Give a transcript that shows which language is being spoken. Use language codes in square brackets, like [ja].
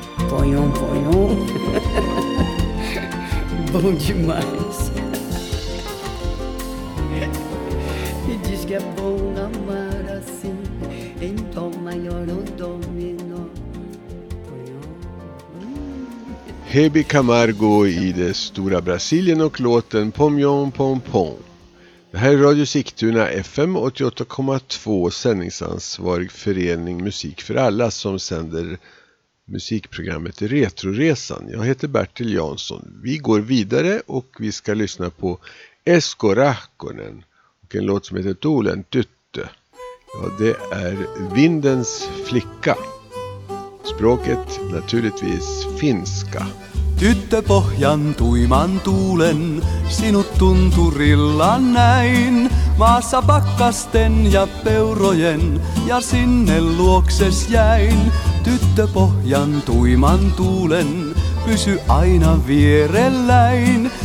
[pt] Ponhom, ponhom. Bom demais. E diz que é bom amar assim, em dó maior ou dó menor. [sv] Hebe Camargo i det stora Brasilien och låten Pomjom Pompom. Det här är Radio Sigtuna FM 88,2, sändningsansvarig förening Musik för alla som sänder musikprogrammet Retroresan. Jag heter Bertil Jansson. Vi går vidare och vi ska lyssna på Esko Rahkonen och en låt som heter Tolen Tytte. Ja, det är Vindens flicka. Språket naturligtvis finska. [fi] Tyttöpohjan tuiman tuulen, sinut tunturilla näin. Maassa pakkasten ja peurojen, ja sinne luokses jäin. Tyttöpohjan tuiman tuulen, pysy aina vierelläin.